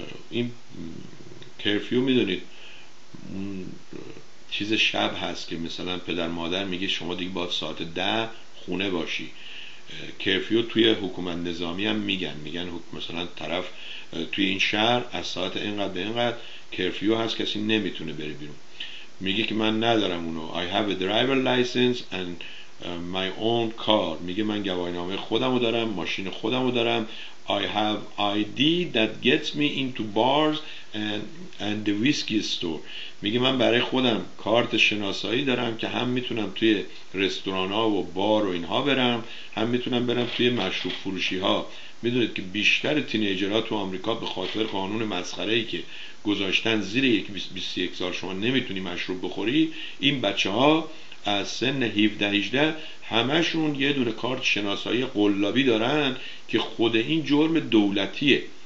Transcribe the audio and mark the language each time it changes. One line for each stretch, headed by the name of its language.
Persian: این curfew میدونید چیز شب هست که مثلا پدر مادر میگه شما دیگه باید ساعت 10 خونه باشی. کرفیو توی حکومت نظامی هم میگن، میگن مثلا طرف توی این شهر از ساعت اینقدر به اینقدر کرفیو هست، کسی نمیتونه بره بیرون. میگه که من ندارم اونو.
English: I have a driver license and my own car.
Persian: میگه من گواهینامه خودم رو دارم، ماشین خودم رو دارم.
English: I have ID that gets me into bars and the whiskey store.
Persian: میگه من برای خودم کارت شناسایی دارم که هم میتونم توی رستوران ها و بار و اینها برم، هم میتونم برم توی مشروب فروشی ها. میدونید که بیشتر تینیجرها تو آمریکا به خاطر قانون مسخره ای که گذاشتن زیر 21 سال شما نمیتونی مشروب بخوری، این بچه ها از سن 17-18 همشون یه دونه کارت شناسایی قلابی دارن که خود این جرم دولتیه.